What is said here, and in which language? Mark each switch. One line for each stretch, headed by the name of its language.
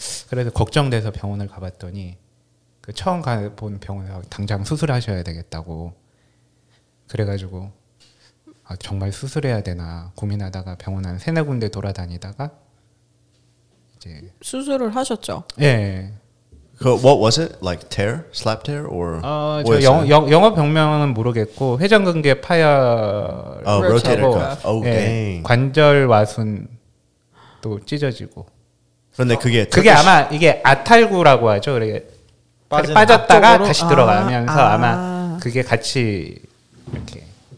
Korean: 그래서 걱정돼서 병원을 가봤더니 그 처음 가본 병원에서 당장 수술하셔야 되겠다고 그래가지고 아, 정말 수술해야 되나 고민하다가 병원 한 세네 군데 돌아다니다가 이제 수술을 하셨죠. 예.
English: 그 what was it like tear, slap tear or?
Korean: 영어 병명은 모르겠고 회전근개 파열.
English: 아, rotator cuff.
Korean: 예. Okay. 관절 와순 또 찢어지고. 그런데 그게 그게 아마 이게 아탈구라고 하죠. 그래 빠졌다가 다시 들어가면서 아마 그게 같이 이렇게.